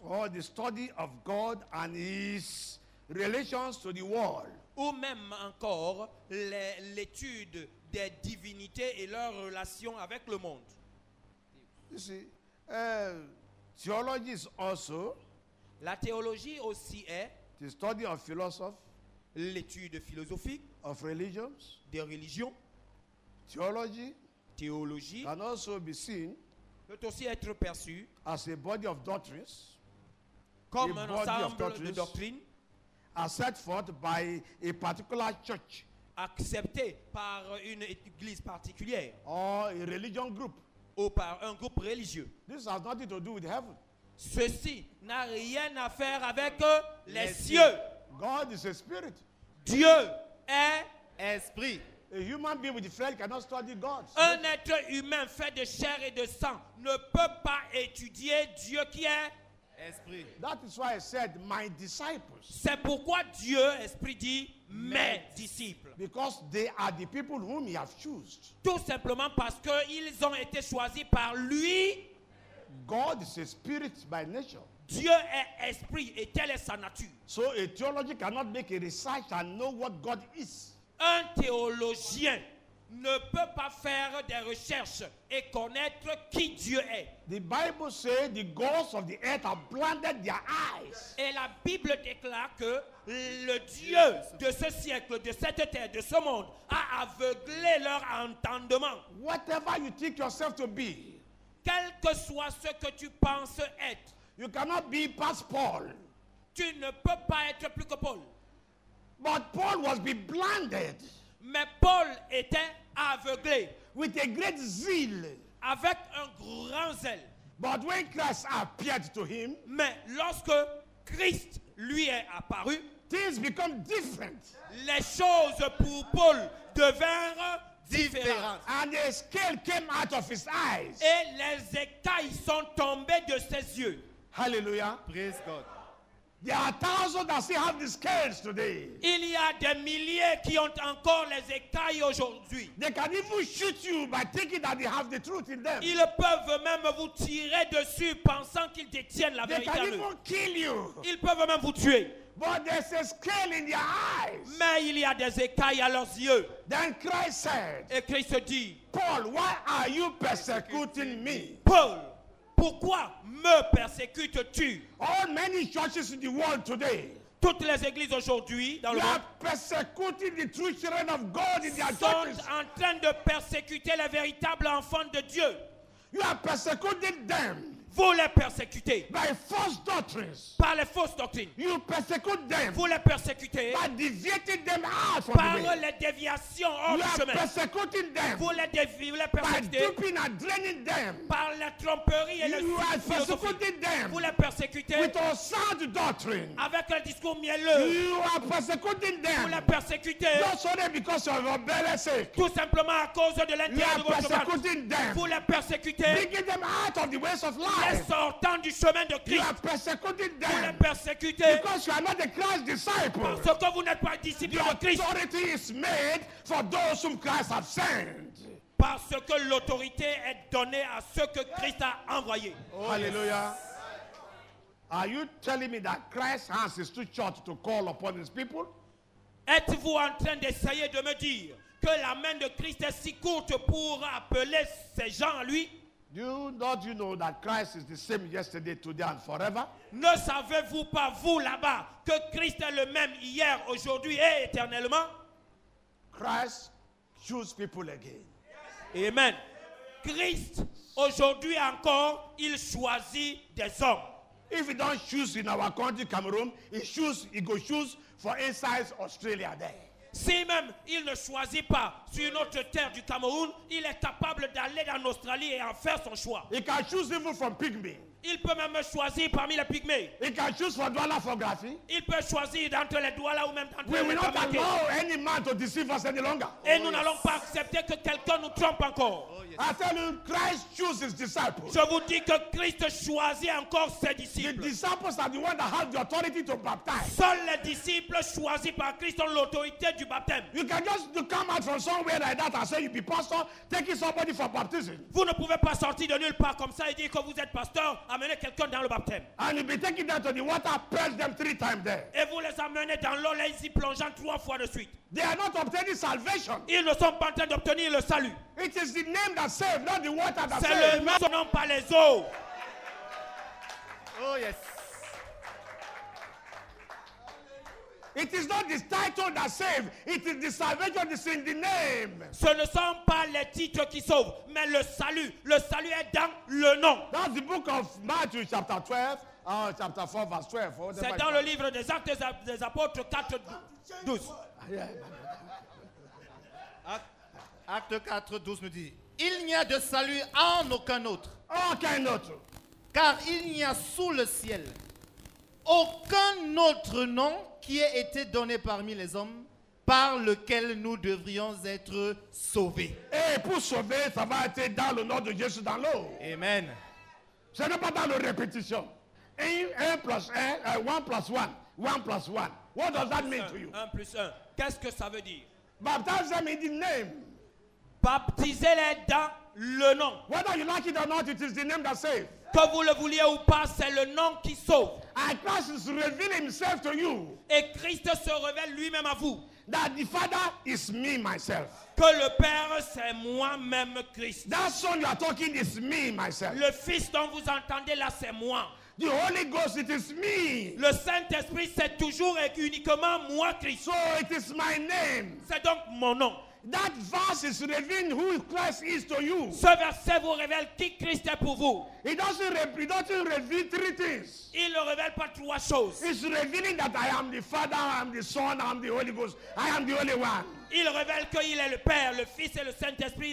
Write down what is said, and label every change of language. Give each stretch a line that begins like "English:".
English: Or the study of God and His relations to the world.
French: Ou même encore l'étude des divinités et leurs relations avec le monde.
English: You see, theology is also.
French: La théologie aussi est.
English: The study of philosophy.
French: L'étude philosophique
English: of religions,
French: des religions,
English: theology,
French: théologie,
English: can also be seen
French: peut aussi être perçu
English: as a body of doctrines,
French: comme un ensemble de doctrines,
English: as set forth by a particular church,
French: accepté par une église particulière,
English: or a religion group,
French: ou par un groupe religieux.
English: This has nothing to do with heaven.
French: Ceci n'a rien à faire avec les cieux.
English: God is a spirit.
French: Dieu est esprit.
English: A human being with flesh cannot study God.
French: Un être humain fait de chair et de sang ne peut pas étudier Dieu qui est esprit.
English: That is why I said my disciples.
French: C'est pourquoi Dieu esprit dit mes disciples.
English: Because they are the people whom he has chosen.
French: Tout simplement parce que ils ont été choisis par lui.
English: God is a spirit by nature.
French: Dieu est esprit et telle est sa nature.
English: So a theologian cannot make a research and know what God is.
French: Un théologien ne peut pas faire des recherches et connaître qui Dieu est.
English: The Bible says the gods of the earth have blinded their eyes.
French: Et la Bible déclare que le Dieu de ce siècle, de cette terre, de ce monde a aveuglé leur entendement.
English: Whatever you think yourself to be.
French: Quel que soit ce que tu penses être.
English: You cannot be past Paul.
French: Tu ne peux pas être plus que Paul.
English: But Paul was being blinded.
French: Mais Paul était aveuglé.
English: With a great zeal.
French: Avec un grand zèle.
English: But when Christ appeared to him.
French: Mais lorsque Christ lui est apparu.
English: Things become different.
French: Les choses pour Paul devinrent différentes.
English: And a scale came out of his eyes.
French: Et les écailles sont tombées de ses yeux.
English: Hallelujah. Praise God. There are thousands that still have the scales today.
French: Il y a des milliers qui ont encore les écailles aujourd'hui.
English: They can even shoot you by thinking that they have the truth in them.
French: Ils peuvent même vous tirer dessus pensant qu'ils détiennent la vérité.
English: They can even kill you.
French: Ils peuvent même vous tuer.
English: But there's a scale in their eyes.
French: Mais il y a des écailles à leurs yeux.
English: Then Christ said,
French: et Christ dit,
English: Paul, why are you persecuting me?
French: Paul, pourquoi me persécutes-tu?
English: All many churches in the world today.
French: Toutes les églises aujourd'hui dans le monde.
English: You are persecuting the true children of God in their churches.
French: Sont en train de persécuter les véritables enfants de Dieu.
English: You are persecuting them.
French: Vous les persécutez.
English: By false doctrines.
French: Par les fausses doctrines.
English: You persecute them.
French: Vous les persécutez.
English: By deviating them out from
French: par
English: the way.
French: Les déviations hors
English: you
French: du chemin.
English: Persecuting them.
French: Vous les persécutez.
English: By duping and draining them.
French: Par la tromperie et
English: you
French: les
English: are persecuting them.
French: Vous les persécutez.
English: With a sound doctrine.
French: Avec un discours mielleux.
English: You are persecuting them.
French: Vous les persécutez.
English: Not only because of your belly sake.
French: Tout simplement à cause de l'intérêt de votre chemin. Vous les persécutez.
English: Bringing them out of the ways of life.
French: Les sortant du chemin de Christ.
English: You are persecuting them.
French: Vous les persécutez.
English: Because you are not the Christ disciple.
French: Parce que vous n'êtes pas disciple de Christ.
English: Your authority is made for those whom Christ has sent.
French: Parce que l'autorité est donnée à ceux que Christ a envoyés. Oh, alléluia.
English: Are you telling me that Christ has his true church to call upon his people?
French: Êtes-vous en train d'essayer de me dire que la main de Christ est si courte pour appeler ces gens à lui?
English: Do you know that Christ is the same yesterday, today, and forever?
French: Ne savez-vous pas, vous là-bas, que Christ est le même hier, aujourd'hui et éternellement?
English: Christ chooses people again.
French: Amen. Christ, aujourd'hui encore, il choisit des hommes.
English: If he don't choose in our country, Cameroon, he goes choose for inside Australia there.
French: Si même il ne choisit pas sur notre terre du Cameroun, il est capable d'aller en Australie et en faire son choix.
English: He can choose even from pygmy.
French: Il peut même choisir parmi les pygmées.
English: He can choose for Douala for Grafi.
French: Il peut choisir d'entre les Douala ou même d'entre les
English: Kamakés. We will not allow any man to deceive us any longer.
French: Et nous n'allons pas accepter que quelqu'un nous trompe encore.
English: I tell you, Christ chooses disciples.
French: Je vous dis que Christ choisit encore ses disciples.
English: The disciples are the ones that have the authority to baptize.
French: Seuls les disciples choisis par Christ ont l'autorité du baptême.
English: You can just come out from somewhere like that and say you be pastor, taking somebody for baptism.
French: Vous ne pouvez pas sortir de nulle part comme ça et dire que vous êtes pasteur, amener quelqu'un dans le baptême.
English: And you be taking them to the water, plunge them three times there.
French: Et vous les amenez dans l'eau, les y plongeant trois fois de suite.
English: They are not obtaining salvation.
French: Ils ne sont pas en train d'obtenir le salut.
English: It is the name that saves, not the water that saves.
French: C'est le nom, non pas les eaux.
English: Oh yes. It is not the title that saves. It is the salvation that's in the name.
French: Ce ne sont pas les titres qui sauvent, mais le salut. Le salut est dans le nom.
English: That's the book of Matthew, chapter 12. Oh, chapter 4, verse 12. Oh,
French: c'est dans le livre des Actes des Apôtres, 4, 12. Acte 4, 12 nous dit, il n'y a de salut en aucun autre. Aucun autre. Car il n'y a sous le ciel aucun autre nom qui ait été donné parmi les hommes par lequel nous devrions être sauvés. Et pour sauver, ça va être dans le nom de Jésus dans l'eau. Amen. Ce n'est pas dans la répétition. 1 plus 1, 1 plus 1, 1 plus 1.
English: What does that mean to you?
French: 1 plus 1. Qu'est-ce que ça veut dire?
English: Baptize them in the name.
French: Baptisez-les dans le nom.
English: Whether you like it or not, it is the name that saves.
French: Que vous le vouliez ou pas, c'est le nom qui sauve.
English: And Christ is revealing himself to you.
French: Et Christ se révèle lui-même à vous.
English: That the Father is me myself.
French: Que le Père, c'est moi-même Christ.
English: That son you are talking is me myself.
French: Le Fils dont vous entendez là, c'est moi.
English: The Holy Ghost, it is me.
French: Le Saint-Esprit, c'est toujours et uniquement moi, Christ.
English: So it is my name.
French: C'est donc mon nom.
English: That verse is revealing who Christ is to you.
French: Ce verset vous révèle qui Christ est pour vous.
English: It doesn't reveal three things.
French: Il ne révèle pas trois choses.
English: It's revealing that I am the Father, I am the Son, I am the Holy Ghost. I am the only one.
French: Il révèle qu'il est le Père, le Fils et le Saint-Esprit.